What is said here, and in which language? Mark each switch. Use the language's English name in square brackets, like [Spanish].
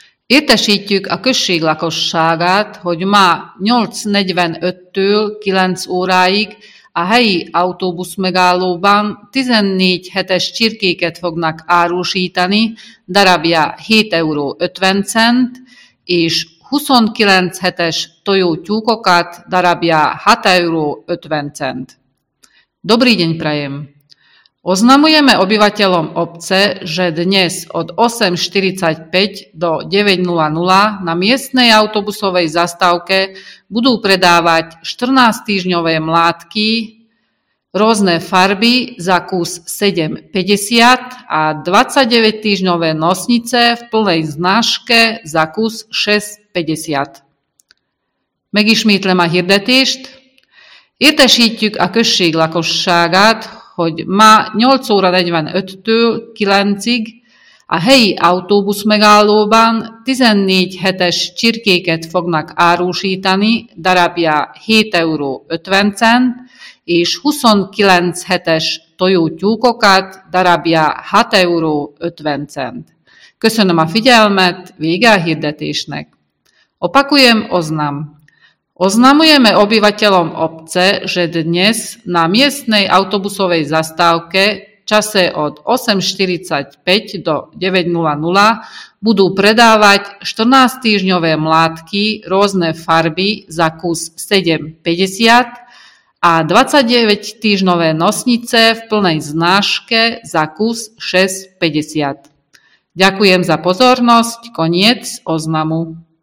[Hungarian] Értesítjük a község lakosságát, hogy ma 8.45-től 9 óráig a helyi autóbuszmegállóban 14 hetes csirkéket fognak árusítani, darabja 7,50 € és 29 hetes tojótyúkokat, darabja 6,50 €. [Slovak] Dobrý deň prajem! Oznamujeme obyvateľom obce, že dnes od 8.45 do 9.00 na miestnej autobusovej zastávke budú predávať 14-týždňové mlátky, rôzne farby za kus 7,50 a 29-týždňové nosnice v plnej znáške za kus 6,50. [Hungarian] Megismétlem a hirdetést. Értesítjük a község lakosságát, hogy ma 8.45-től 9-ig a helyi autóbuszmegállóban 14 hetes csirkéket fognak árusítani, darabja 7,50 € és 29 hetes tojótyúkokat, darabja 6,50 €. Köszönöm a figyelmet, vége a hirdetésnek. [Slovak] Opakujem oznam. Oznamujeme obyvateľom obce, že dnes na miestnej autobusovej zastávke v čase od 8.45 do 9.00 budú predávať 14-týždňové mlátky rôzne farby za kus 7,50 a 29-týždňové nosnice v plnej znáške za kus 6,50. Ďakujem za pozornosť. Koniec oznamu.